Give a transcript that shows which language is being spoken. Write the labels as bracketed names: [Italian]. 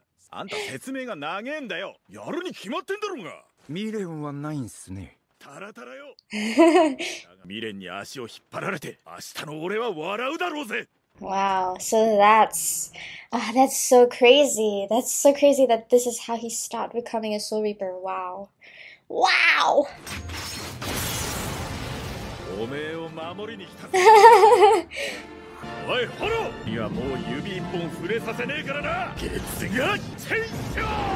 [Japanese] あんた説明が長えんだよ。やるに決まってんだろうが。未練はないんすね。タラタラよ。未練に足を引っ張られて明日の俺は笑うだろうぜ。 [English] Wow, so that's so crazy. That's so crazy that this is how he stopped becoming a soul reaper. Wow. Wow! [Japanese] おめえを守りに来たぜ。おい、ホロー！いや、もう指一本触れさせねえからな。月がチェンジョ